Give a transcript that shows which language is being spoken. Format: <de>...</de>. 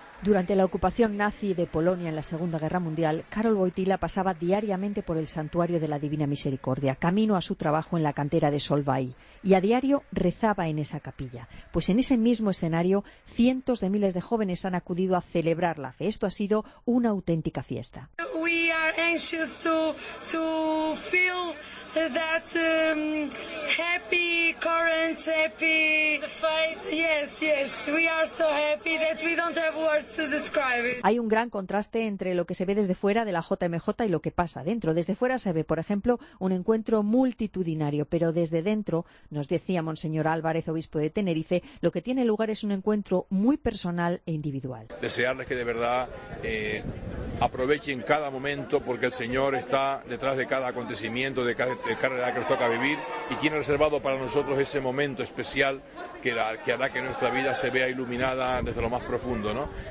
<es>Durante la ocupación nazi de Polonia en la Segunda Guerra Mundial, Karol Wojtyla pasaba diariamente por el santuario de la Divina Misericordia, camino a su trabajo en la cantera de Solvay, y a diario rezaba en esa capilla. Pues en ese mismo escenario, cientos de miles de jóvenes han acudido a celebrar la fe. Esto ha sido una auténtica fiesta.</es> <en>We are anxious to feel that happy current, happy fight. Yes, yes, we are so happy that we don't have words to describe it.</en> <es>Hay un gran contraste entre lo que se ve desde fuera de la JMJ y lo que pasa dentro. Desde fuera se ve, por ejemplo, un encuentro multitudinario, pero desde dentro, nos decía Monseñor Álvarez, obispo de Tenerife, lo que tiene lugar es un encuentro muy personal e individual. Desearles que de verdad aprovechen cada momento, porque el Señor está detrás de cada acontecimiento, de cada carrera que nos toca vivir, y tiene reservado para nosotros ese momento especial que hará que nuestra vida se vea iluminada desde lo más profundo, ¿no?</es>